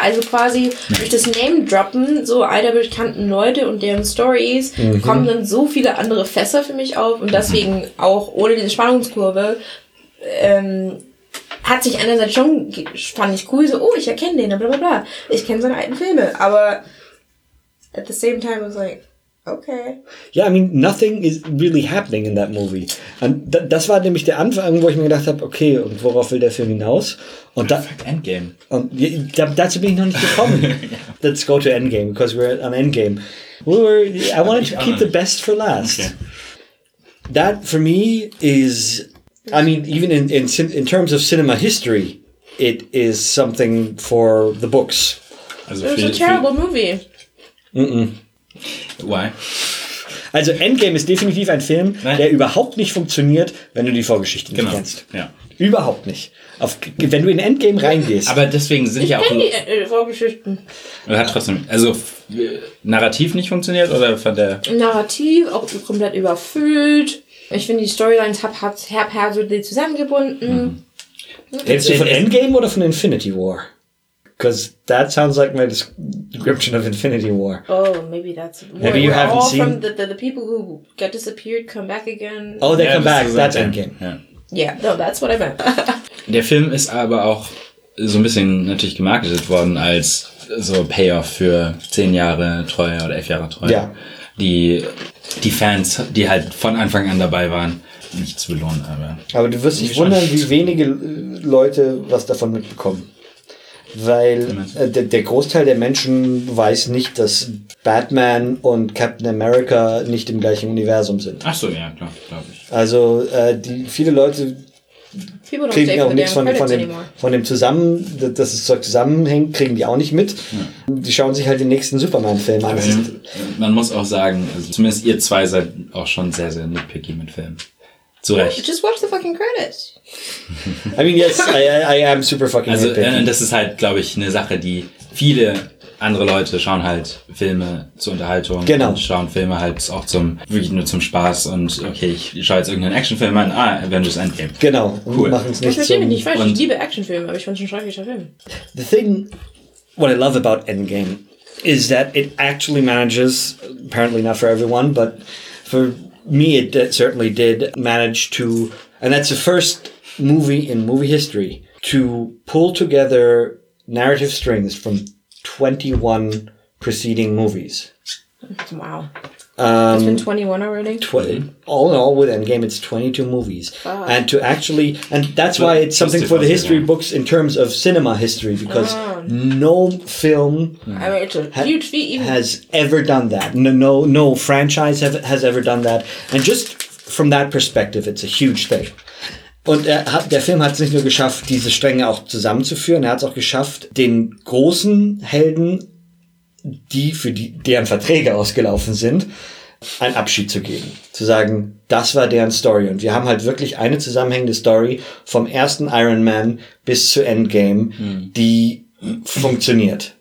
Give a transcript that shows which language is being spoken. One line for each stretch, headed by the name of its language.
German: Also quasi durch das Name-Droppen so alter bekannten Leute und deren Stories kommen dann so viele andere Fässer für mich auf und deswegen auch ohne diese Spannungskurve hat sich einerseits schon, fand ich cool, so, oh, ich erkenne den, bla bla bla. Ich kenne seine alten Filme, aber
English: at the same time, I was like, okay. Ja, yeah, I mean, nothing is really happening in that movie.
German: Und das war nämlich der Anfang, wo ich mir gedacht habe, okay, und worauf will der Film hinaus? Und Endgame. Und dazu bin ich noch nicht gekommen.
English: Let's go to Endgame, because we're on Endgame. I wanted to keep the best for last. Okay. That, for me, is... I mean, even in terms of cinema history, it is something for the books. It was a terrible movie. Mm-mm. Why?
German: Also Endgame ist definitiv ein Film, der überhaupt nicht funktioniert, wenn du die Vorgeschichte nicht kennst. Ja. Überhaupt nicht. Wenn du in Endgame reingehst. Aber deswegen sind ja auch... Ich kenne die Vorgeschichten. Er hat trotzdem... Also, narrativ nicht funktioniert oder von der... Narrativ, auch komplett überfüllt. Ich finde die Storylines herbhaftig zusammengebunden. Redest du von Endgame oder von Infinity War?
English: Because that sounds like my description of Infinity War. Oh, maybe that's... Maybe you haven't all seen... All from the people who got disappeared come back again. Oh, they come back. That's Endgame. Yeah, no, that's what I meant.
German: Der Film ist aber auch so ein bisschen natürlich gemarketet worden als so Payoff für 10 Jahre Treue oder 11 Jahre Treue. Ja. Die Fans, die halt von Anfang an dabei waren, nicht zu belohnen. Aber du wirst dich wundern, wie wenige Leute was davon mitbekommen. weil der Großteil der Menschen weiß nicht, dass Batman und Captain America nicht im gleichen Universum sind. Ach so, ja, klar, glaube ich. Also die viele Leute kriegen auch nichts von dem zusammen, dass das Zeug zusammenhängt, kriegen die auch nicht mit. Ja. Die schauen sich halt den nächsten Superman-Film an. Ja, man muss auch sagen, also zumindest ihr zwei seid auch schon sehr, sehr nitpicky mit Filmen. Zu Recht.
English: Just watch the fucking credits. I mean, yes, I am super fucking also, nitpicky.
German: Also, das ist halt, glaube ich, eine Sache, die viele andere Leute schauen halt Filme zur Unterhaltung. Genau. Und schauen Filme halt auch zum, wirklich nur zum Spaß und okay, ich schaue jetzt irgendeinen Actionfilm an. Ah, Avengers Endgame. Genau. Und cool. Machen es nicht. Ich verstehe mich nicht falsch. Ich liebe Actionfilme, aber ich fand schon schrecklicher Film.
English: The thing, what I love about Endgame is that it actually manages, apparently not for everyone, but for me it certainly did manage to, and that's the first movie in movie history to pull together narrative strings from 21 preceding movies. Wow. It's been 21 already? All in all, with Endgame, it's 22 movies. Fuck. And to actually, and that's why it's something for the history books in terms of cinema history, because no film has ever done that. No franchise has ever done that. And just from that perspective, it's a huge thing.
German: Und der Film hat es nicht nur geschafft, diese Stränge auch zusammenzuführen, er hat es auch geschafft, den großen Helden, die für die deren Verträge ausgelaufen sind, einen Abschied zu geben. Zu sagen, das war deren Story. Und wir haben halt wirklich eine zusammenhängende Story vom ersten Iron Man bis zu Endgame, die funktioniert.